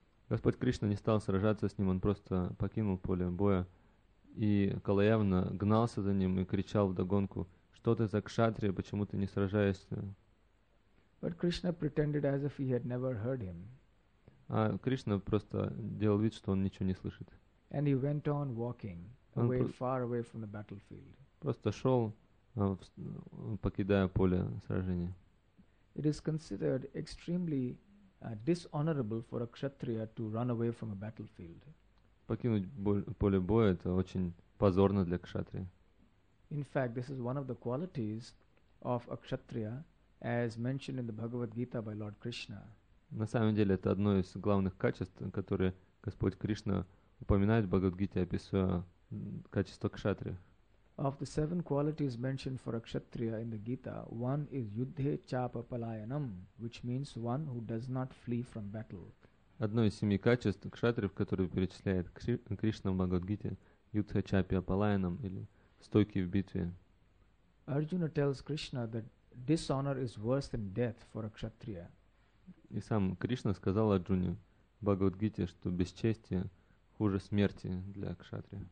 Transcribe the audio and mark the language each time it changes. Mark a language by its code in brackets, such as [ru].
[ru] Господь Кришна не стал сражаться с ним, он просто покинул поле боя, и Кала Явана гнался за ним и кричал вдогонку: "Что ты за кшатрия, почему ты не сражаешься?" [en] But Krishna pretended as if he had never heard him. [ru] А Кришна просто делал вид, что он ничего не слышит. [en] And he went on walking away, far away from the battlefield. [ru] Просто шел, покидая поле сражения. [en] It is considered extremely dishonorable for a kshatriya to run away from a battlefield. [ru] Покинуть поле боя — это очень позорно для кшатрии. [en] In fact, this is one of the qualities of a kshatriya, as mentioned in the Bhagavad Gita by Lord Krishna. [ru] На самом деле, это одно из главных качеств, которые Господь Кришна упоминает в Бхагавад Гите, описывая качество кшатрии. [en] Of the seven qualities mentioned for a kshatriya in the Gita, one is [sa] yuddhe chapa palayanam, [en] which means one who does not flee from battle. [ru] Одно из семи качеств кшатриев, которые перечисляет Кришна в Бхагавад Гите, [sa] yuddhe chapa palayanam, [ru] или стойкий в битве. [en] Arjuna tells Krishna that dishonor is worse than death for a kshatriya. [ru] И сам Кришна сказал Арджуне в Бхагавад Гите, что бесчестие хуже смерти для кшатрия.